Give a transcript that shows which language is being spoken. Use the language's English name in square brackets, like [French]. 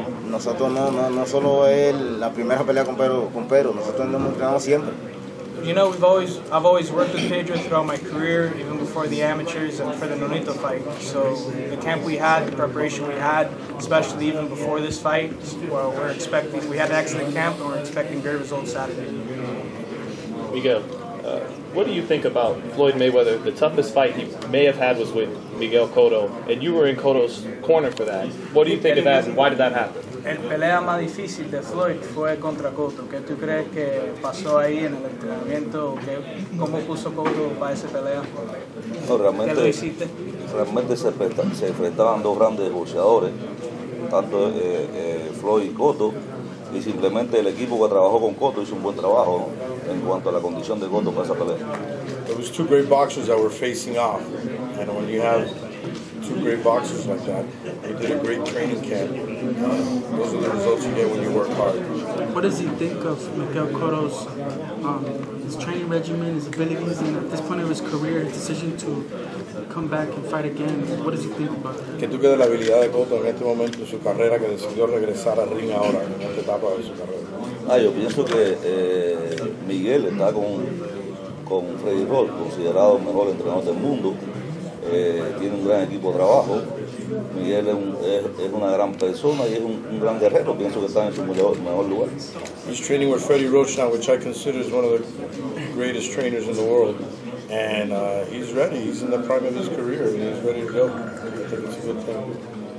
[Spanish] Nosotros no solo él la primera pelea con Pedro. Nosotros hemos entrenado siempre. [English] You know, I've always worked with Pedro throughout my career, even before the amateurs and for the Nonito fight. So the camp we had, the preparation we had, especially even before this fight, well, we had an excellent camp and we're expecting great results Saturday. Miguel, what do you think about Floyd Mayweather? The toughest fight he may have had was with Miguel Cotto, and you were in Cotto's corner for that. What do you think of that, and why did that happen? [Spanish] El pelea más difícil de Floyd fue contra Cotto. ¿Qué tú crees que pasó ahí en el entrenamiento? ¿Cómo puso Cotto para esa pelea? No, realmente se enfrentaban dos grandes boxeadores, tanto Floyd y Cotto. Y simplemente el equipo que trabajó con Cotto hizo un buen trabajo en cuanto a la condición de Cotto para esa pelea. [English] It was two great boxers that were facing off. And when you have two great boxers like that, they did a great training camp. Those are the results you get when you work hard. What does he think of Miguel Cotto's his training regimen, his abilities, and at this point of his career, his decision to come back and fight again? What does he think about that? [Spanish] ¿Qué tú crees de la habilidad de Cotto en este momento de su carrera que decidió regresar al ring ahora, en esta etapa de su carrera? Yo pienso que Miguel está con Freddy Hall, considerado el mejor entrenador del mundo. Tiene un gran equipo de trabajo. Miguel es una gran persona y es un gran guerrero. Pienso que está en su mejor lugar. [English] He's training with Freddy Roshan, which I consider is one of the greatest trainers in the world. And he's ready. He's in the prime of his career. And he's ready to go. I think it's a good thing.